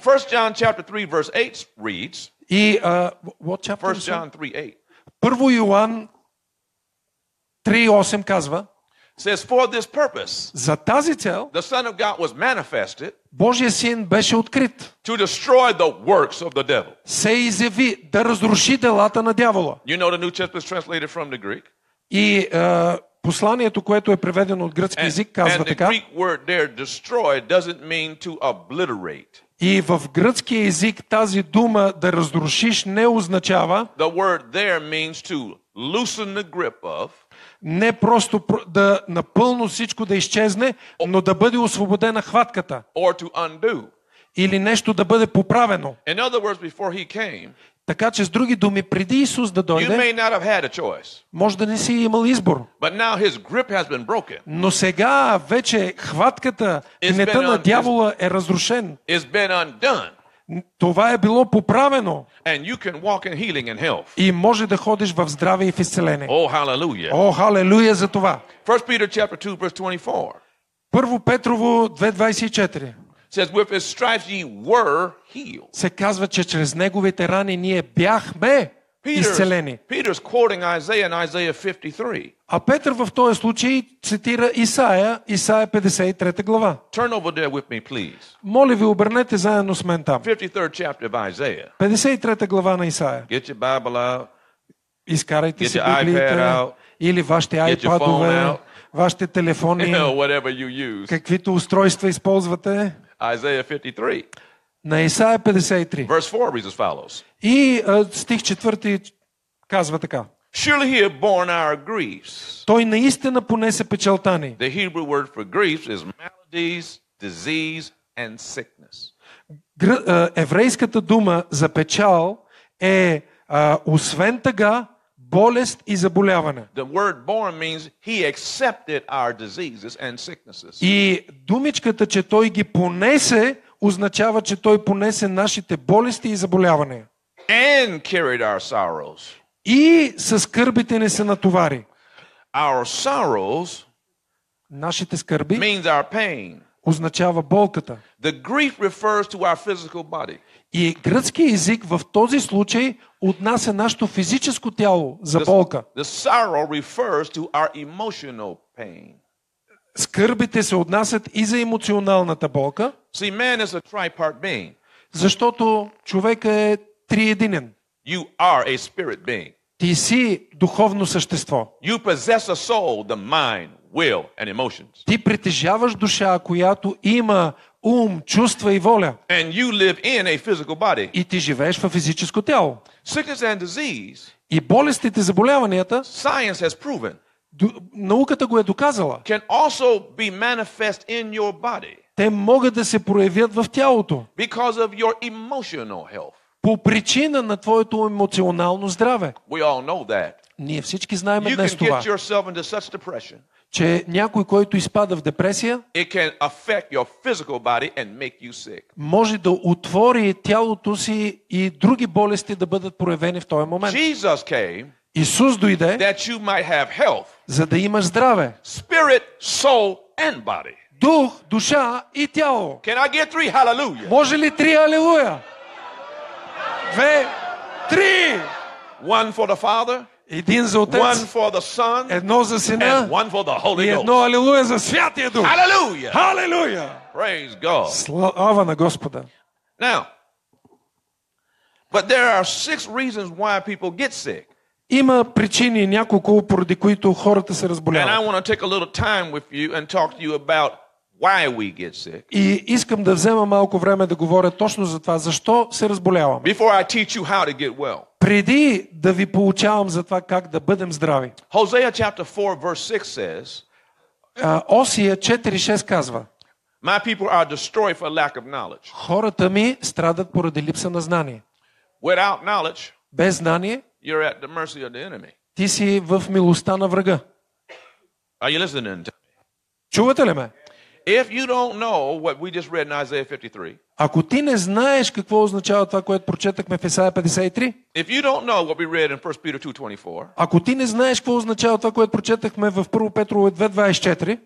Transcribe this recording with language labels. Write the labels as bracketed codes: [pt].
[en] 1 John chapter 3 verse 8 reads. И what chapter? 1 John 3:8. [bg] 1 Йоан 3:8 казва. [en] Says for this purpose. [bg] За тази цел. [en] The Son of God was manifested. [bg] Божия син беше открит. [en] To destroy the works of the devil. [bg] Се изяви да разруши делата на дявола. [en] You know the New Testament translated from the Greek. [bg] И посланието, което е преведено от гръцки език, казва [en] and [bg] така. [en] And the Greek word there destroy doesn't mean to obliterate. [bg] И в гръцки език тази дума да разрушиш не означава. [en] The word there means to loosen the grip of. [bg] Не просто да напълно всичко да изчезне, но да бъде освободена хватката. [en] Or to undo. [bg] Или нещо да бъде поправено. [en] In other words, before he came, [bg] така че с други думи, преди Исус да дойде, [en] you may not have had a choice, [bg] може да не си имал избор. [en] But now his grip has been broken. [bg] Но сега вече хватката, гнета на дявола е разрушен. [en] It's been undone. [bg] Това е било поправено. [en] And you can walk in healing and health. [bg] И може да ходиш в здраве и в изцеление. О, халелуя! О, халелуя за това! [en] 1 Peter chapter 2 verse 24. [bg] Първо Петрово 2:24. [en] Says with his stripes ye were healed. [bg] Се казва, че чрез неговите рани ние бяхме изцелени. [en] Peter's quoting Isaiah in Isaiah 53. [bg] А Петър в този случай цитира Исаия, Исаия 53 глава. [en] Turn over there with me, please. [bg] Моля ви, обърнете заедно с мен там. [en] 53rd chapter of Isaiah. [bg] 53-та глава на Исаия. [en] Get your Bible out. [bg] Изкарайте си Библията. Или вашите iPad-ове, вашите телефони. [en] You know, whatever you use. [bg] Каквито устройства използвате. [en] Isaiah 53. [bg] На Исаия 53. [en] Verse 4 reads as follows. [bg] И стих 4 казва така. [en] Surely he had borne our griefs. [bg] Той наистина понесе печалта ни. [en] The Hebrew word for griefs is maladies, disease and sickness. [bg] Еврейската дума за печал е освен тъга, болест и заболяване. [en] The word born means he accepted our diseases and sicknesses. [bg] И думичката, че той ги понесе, означава, че той понесе нашите болести и заболявания. [en] And carried our sorrows. [bg] И със скърбите ни се натовари. [en] Our sorrows, [bg] нашите скърби, [en] means our pain. [bg] Означава болката. [en] The grief refers to our physical body. [bg] И гръцки език в този случай отнася нашето физическо тяло за болка. [en] The sorrow refers to our emotional pain. [bg] Скърбите се отнасят и за емоционалната болка. [en] See, man is a tripart being. [bg] Защото човекът е триединен. [en] You are a spirit being. [bg] Ти си духовно същество. [en] You possess a soul, the mind, will and emotions. [bg] Ти притежаваш душа, която има ум, чувства и воля. [en] And you live in a physical body. [bg] И ти живееш в физическо тяло. [en] Sickness and disease. [bg] И болестите, заболяванията, [en] science has proven. [bg] Науката го е доказала. [en] Can also be manifest in your body. [bg] Те могат да се проявят в тялото. [en] Because of your emotional health. [bg] По причина на твоето емоционално здраве. [en] We all know that. [bg] Ние всички знаем [en] you [bg] днес това. [en] Can get yourself into such depression. [bg] Че някой, който изпада в депресия, [en] it can affect your physical body and make you sick. [bg] Може да отвори тялото си и други болести да бъдат проявени в този момент. [en] Jesus came, [bg] Исус дойде, [en] that you might have health, [bg] за да имаш здраве. [en] Spirit, soul and body. [bg] Дух, душа и тяло. [en] Can I get three hallelujah? [bg] Може ли три алелуя? Две, три! [en] One for the Father, [bg] един за Отец, [en] one for the Son, [bg] едно за Сина, [en] and one for the Holy [bg] и едно алелуя за Святия Дух. Алелуя! Алелуя! [en] Praise God. [bg] Слава на Господа! [en] Now, but there are six reasons why people get sick. [bg] Има причини няколко, поради които хората се разболяват. [en] And I want to take a little time with you and talk to you about why we get sick. [bg] И искам да взема малко време да говоря точно за това, защо се разболяваме. [en] Before I teach you how to get well. [bg] Преди да ви поучавам за това как да бъдем здрави. [en] Hosea chapter 4 verse 6 says. [bg] Осия 4:6 казва. [en] My people are destroyed for lack of knowledge. [bg] Хората ми страдат поради липса на знание. [en] Without knowledge. [bg] Без знание. [en] You're at the mercy of the enemy. [bg] Ти си в милостта на врага. [en] Are you listening to me? [bg] Чувате ли ме? [en] If you don't know what we just read in Isaiah 53. [bg] Ако ти не знаеш какво означава това, което прочетахме в Исаия 53. [en] If you don't know what we read in 1 Peter 2:24. [bg] Ако ти не знаеш какво означава това, което прочетахме в 1 Петрово 2:24.